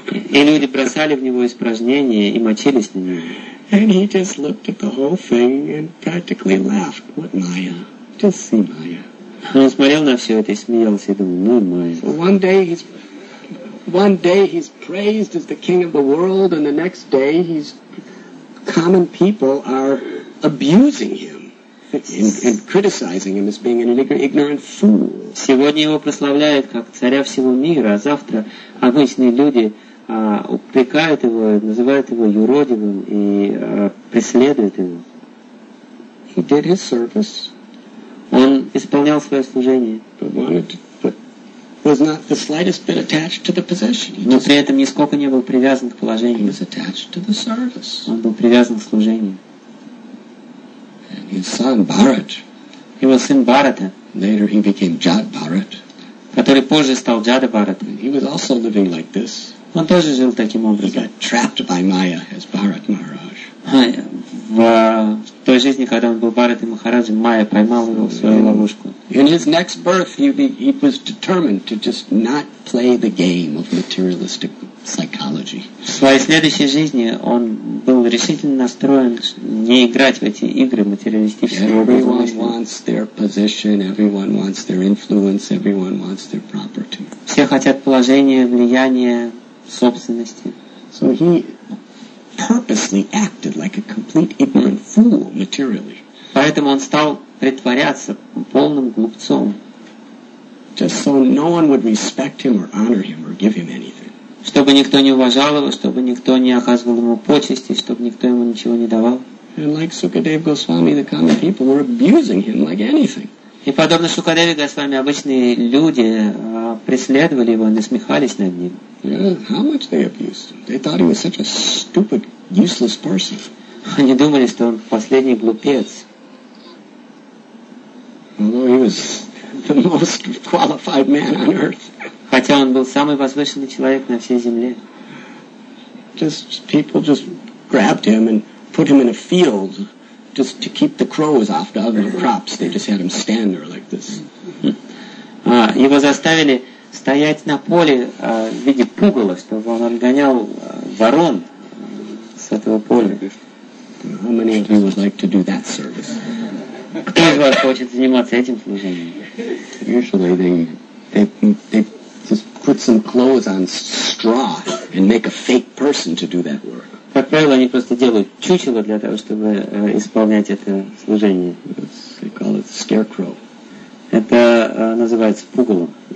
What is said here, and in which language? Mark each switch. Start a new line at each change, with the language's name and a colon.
Russian: И люди бросали в него испражнения и мочились на него.
English: And he just looked at the whole thing and practically laughed. What Maya? Just see Maya.
Russian: Он смотрел на все это и смеялся и думал, ну Maya.
English: So one day he's praised as the king of the world, and the next day he's common people are abusing him and criticizing him as being an ignorant fool.
Russian: Сегодня его прославляют как царя всего мира, а завтра обычные люди упрекают его, называют его юродивым и преследуют его.
English: He did his service.
Russian: Он исполнял свое служение.
English: But was not the slightest bit attached to the position.
Russian: Но при этом нисколько не был привязан к положению.
English: He was attached to the service.
Russian: Он был привязан к служению.
English: And his son Bharat.
Russian: Его сын Bharata.
English: Later he became Jat Bharat.
Russian: который позже стал Джада Бхаратом.
English: He was also living like this.
Russian: Он тоже жил таким образом.
English: He got trapped by Maya as Bharat Maharaj.
Russian: В той жизни, когда он был Бхарати Махараджи, Майя поймал его в свою ловушку.
English: In his next birth, he was determined to just not play the game of materialistic psychology.
Russian: В своей следующей жизни он был решительно настроен не играть в эти игры материалистического образа.
English: Everyone wants their position, everyone wants their influence, everyone wants their property.
Russian: Все хотят положения, влияния, собственности.
English: So he purposely acted like a complete ignorant fool materially.
Russian: Поэтому он стал притворяться полным глупцом.
English: Just so no one would respect him or honor him or give him anything.
Russian: Чтобы никто не уважал его, чтобы никто не оказывал ему почести, чтобы никто ему ничего не давал.
English: And like Sukadeva Goswami, the common people were abusing him like anything.
Russian: И подобно Шукадеве Госвами, обычные люди преследовали его, насмехались над ним.
English: Yeah, how much they abused him. They thought he was such a stupid, useless person.
Russian: Они думали, что он последний глупец.
English: Although he was the most qualified man on earth.
Russian: Хотя он был самый возвышенный человек на всей земле.
English: Just people just grabbed him and put him in a field just to keep the crows off the other crops. They just had him stand there like this.
Russian: Его заставили стоять на поле в виде пугала, чтобы он отгонял ворон с этого поля.
English: How many of you would like to do that service?
Russian: Кто из вас хочет заниматься этим служением?
English: Usually they just put some clothes on straw and make a fake person to do that work.
Russian: Как правило, они просто делают чучело для того, чтобы исполнять это служение.
English: They call it scarecrow.
Russian: Это называется пугалом.